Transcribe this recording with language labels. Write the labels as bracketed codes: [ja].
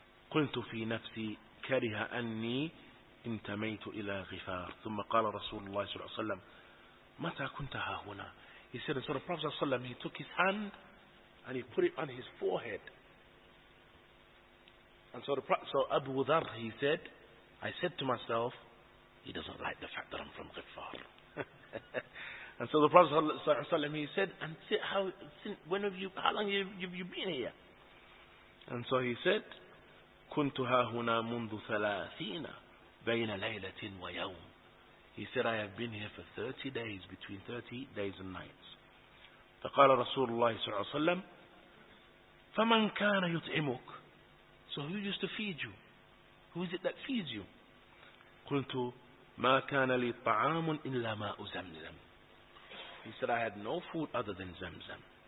[ar] قلت في نفسي كره أني انتميت إلى غفار ثم قال رسول الله صلى الله عليه وسلم متى كنت ها هنا. [en] He said, and so the Prophet صلى الله عليه وسلم, he took his hand and he put it on his forehead. And so the Prophet, so Abu Dharr, he said, I said to myself, he doesn't like the fact that I'm from Ghifar. And so the Prophet صلى الله عليه وسلم, he said, and how long have you been here? And so he said, [ar] كنت ها هنا منذ 30 بين ليلة ويوم. [en] He said, I have been here for 30 days, between 30 days and nights. [ar] فقال رسول الله صلى الله عليه وسلم, فمن كان يطعمك? [en] So who used to feed you? Who is it that feeds you? [ar] قلت ما كان لي طعام إلا ماء زمزم. [en] He said, I had no food other than زمزم.